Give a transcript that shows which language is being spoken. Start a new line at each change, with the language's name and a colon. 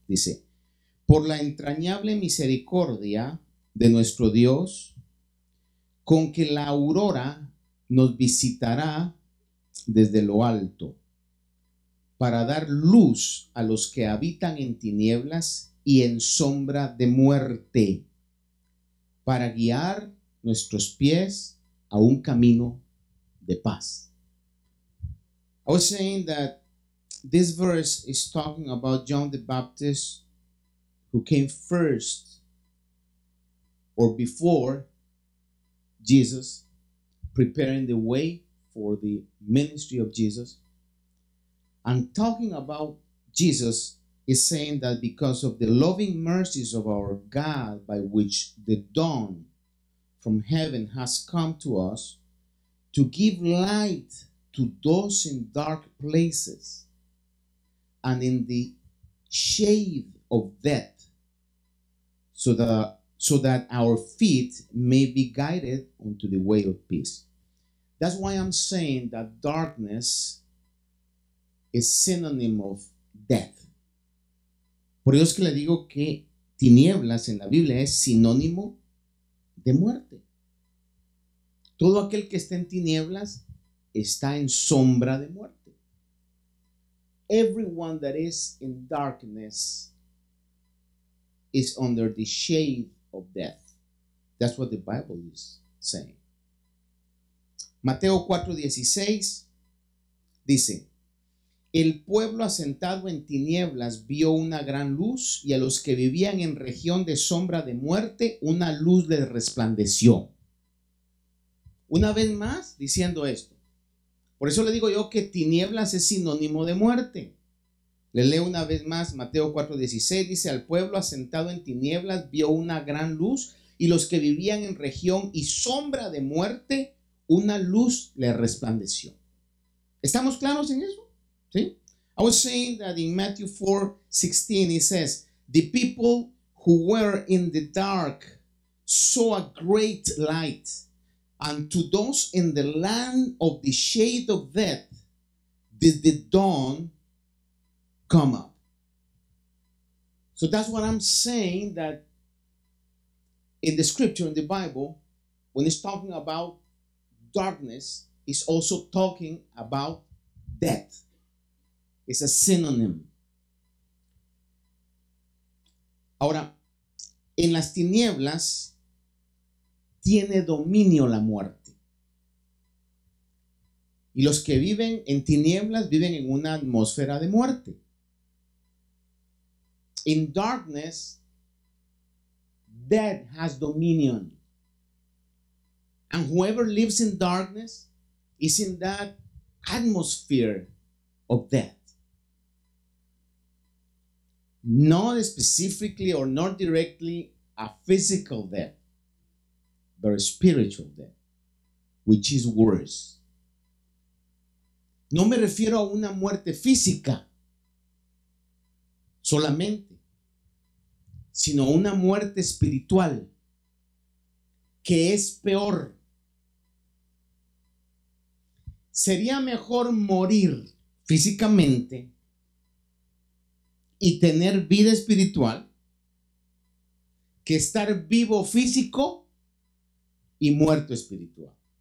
Spanish: Dice, por la entrañable misericordia de nuestro Dios, con que la aurora nos visitará desde lo alto, para dar luz a los que habitan en tinieblas y en sombra de muerte, para guiar nuestros pies a un camino de paz.
English: I was saying that this verse is talking about John the Baptist, who came first or before Jesus, preparing the way for the ministry of Jesus. And talking about Jesus is saying that because of the loving mercies of our God, by which the dawn from heaven has come to us to give light to those in dark places and in the shade of death, so that our feet may be guided unto the way of peace. That's why I'm saying that darkness is synonym of death.
Spanish: Por eso es que le digo que tinieblas en la Biblia es sinónimo de muerte. Todo aquel que está en tinieblas está en sombra de muerte.
English: Everyone that is in darkness is under the shade of death. That's what the Bible is saying.
Spanish: Mateo 4:16 dice: El pueblo asentado en tinieblas vio una gran luz, y a los que vivían en región de sombra de muerte, una luz les resplandeció. Una vez más, diciendo esto. Por eso le digo yo que tinieblas es sinónimo de muerte. Le leo una vez más Mateo 4:16, dice: Al pueblo asentado en tinieblas vio una gran luz, y los que vivían en región y sombra de muerte, una luz les resplandeció. ¿Estamos claros en eso?
English: See? I was saying that in Matthew 4:16, it says, The people who were in the dark saw a great light, and to those in the land of the shade of death did the dawn come up. So that's what I'm saying, that in the scripture, in the Bible, when it's talking about darkness, it's also talking about death.
Spanish: Es un synonym. Ahora, en las tinieblas tiene dominio la muerte. Y los que viven en tinieblas viven en una atmósfera de muerte.
English: In darkness, death has dominion. And whoever lives in darkness is in that atmosphere of death. Not specifically or not directly a physical death, but a spiritual death, which is worse.
Spanish: No me refiero a una muerte física solamente, sino una muerte espiritual que es peor. Sería mejor morir físicamente y tener vida espiritual que estar vivo físico y muerto espiritual.